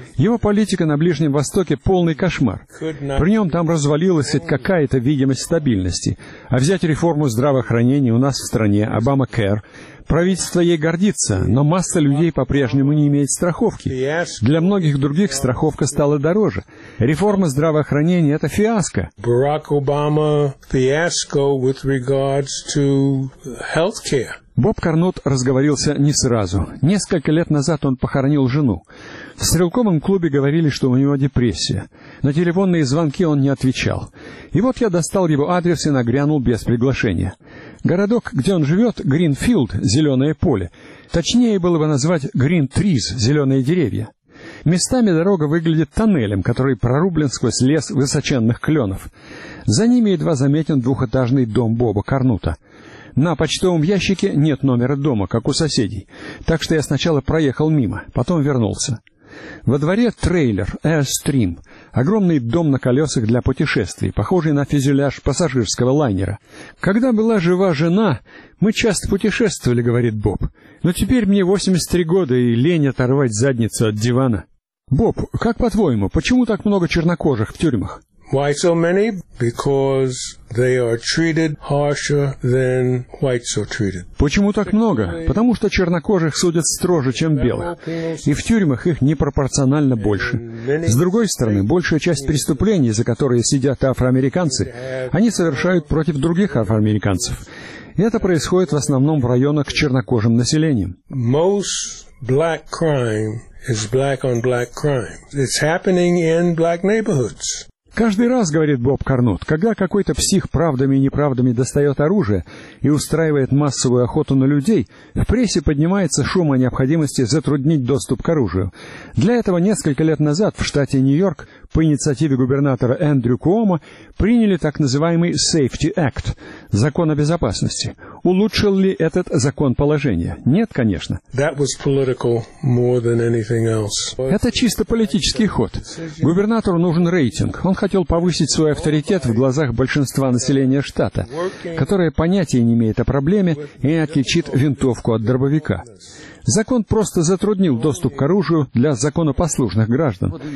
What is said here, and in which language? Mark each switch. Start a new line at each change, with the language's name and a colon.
Russian: Его политика на Ближнем Востоке — полный кошмар. При нем там развалилась хоть какая-то видимость стабильности. А взять реформу здравоохранения у нас в стране Обама-кэр. Правительство ей гордится, но масса людей по-прежнему не имеет страховки. Для многих других страховка стала дороже. Реформа здравоохранения — это фиаско. Барак Обама — фиаско
English: with regards to healthcare.
Russian: Боб Карнот разговорился не сразу. Несколько лет назад он похоронил жену. В стрелковом клубе говорили, что у него депрессия. На телефонные звонки он не отвечал. И вот я достал его адрес и нагрянул без приглашения. Городок, где он живет, Гринфилд, зеленое поле. Точнее было бы назвать Грин Триз, зеленые деревья. Местами дорога выглядит тоннелем, который прорублен сквозь лес высоченных кленов. За ними едва заметен двухэтажный дом Боба Карнота. На почтовом ящике нет номера дома, как у соседей, так что я сначала проехал мимо, потом вернулся. Во дворе трейлер Airstream, огромный дом на колесах для путешествий, похожий на фюзеляж пассажирского лайнера. «Когда была жива жена, мы часто путешествовали», — говорит Боб, — «но теперь мне 83 года и лень оторвать задницу от дивана». Боб, как по-твоему, почему так много чернокожих в тюрьмах?
English: Why so many? Because they are treated harsher than whites are treated.
Russian: Почему так много? Потому что чернокожих судят строже, чем белых. И в тюрьмах их непропорционально больше. С другой стороны, большая часть преступлений, за которые сидят афроамериканцы, они совершают против других афроамериканцев. И это происходит в основном в районах с чернокожим населением.
English: Most black crime is black on black crime. It's happening in black neighborhoods.
Russian: Каждый раз, говорит Боб Карнот, когда какой-то псих правдами и неправдами достает оружие и устраивает массовую охоту на людей, в прессе поднимается шум о необходимости затруднить доступ к оружию. Для этого несколько лет назад в штате Нью-Йорк по инициативе губернатора Эндрю Куомо приняли так называемый Safety Act – закон о безопасности. Улучшил ли этот закон положение? Нет, конечно.
English: That was political more than anything else.
Russian: Это чисто политический ход. Губернатору нужен рейтинг. Он хотел повысить свой авторитет в глазах большинства населения штата, которое понятия не имеет о проблеме и отличит винтовку от дробовика. Закон просто затруднил доступ к оружию для законопослушных граждан.